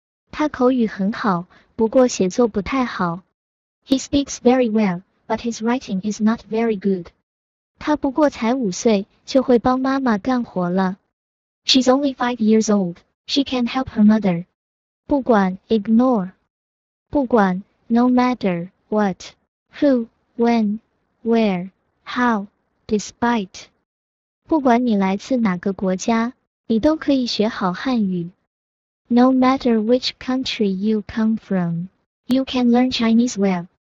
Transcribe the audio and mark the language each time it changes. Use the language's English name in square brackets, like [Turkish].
[Chinese] 他口语很好, 不过写作不太好。 [English] He speaks very well, but his writing is not very good. [Chinese] 他不过才五岁, 就会帮妈妈干活了。 [English] She's only 5 years old, she can help her mother. 不管, ignore. 不管, no matter, what, who, when, where, how, despite. [Chinese] 不管你来自哪个国家, 你都可以学好汉语。 [English] No matter which country you come from, you can learn Chinese well.